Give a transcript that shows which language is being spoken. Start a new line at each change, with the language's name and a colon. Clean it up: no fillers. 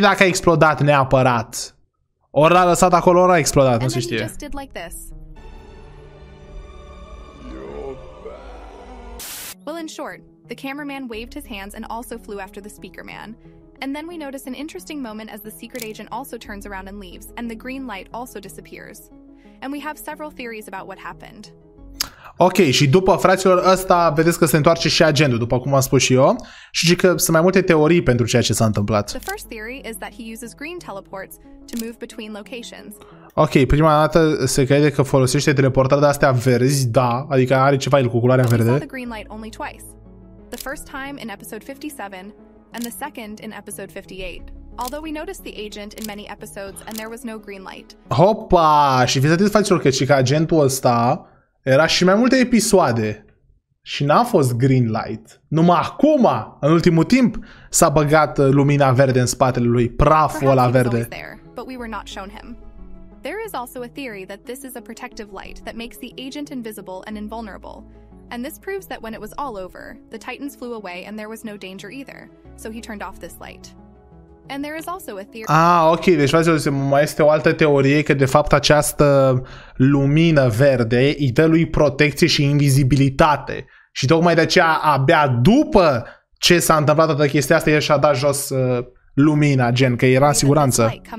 Romanian: dacă a explodat neapărat. Ori l-a lăsat acolo, ori a explodat, nu se știe.
English: Well, in short, the cameraman waved his hands and also flew after the speaker man. And then we notice an interesting moment as the secret agent also turns around and leaves, and the green light also disappears. And we have several theories about what happened.
Romanian: Ok, și după, fraților, ăsta vedeți că se întoarce și agentul, după cum am spus și eu, și zic că sunt mai multe teorii pentru ceea ce s-a întâmplat.
English: The first theory is that he uses green teleports to move between locations.
Romanian: Ok, prima dată se crede că folosește teleportarea astea verzi, da, adică are ceva el cu culoarea verde.
English: The green light only twice. The first time in episode 57 and the second in episode 58. Although we noticed the agent in many episodes and there was no green light.
Romanian: Hopa, și fiți atenți, fraților, că și că agentul ăsta era și mai multe episoade și n-a fost
English: green light.
Romanian: Numai acum, în ultimul timp, s-a băgat lumina verde în spatele lui, praful ăla verde.
English: There, but we were not shown him. There is also a theory that this is a protective light that makes the agent invisible and invulnerable. And this proves that when it was all over, the Titans flew away and there was no danger either. So he turned off this light. And there is also a theory.
Romanian: Ah, ok, deci mai este o altă teorie că de fapt această lumină verde îi dă lui protecție și invizibilitate. Și tocmai de aceea abia după ce s-a întâmplat toată chestia asta, el și-a dat jos lumina, gen, că era siguranță.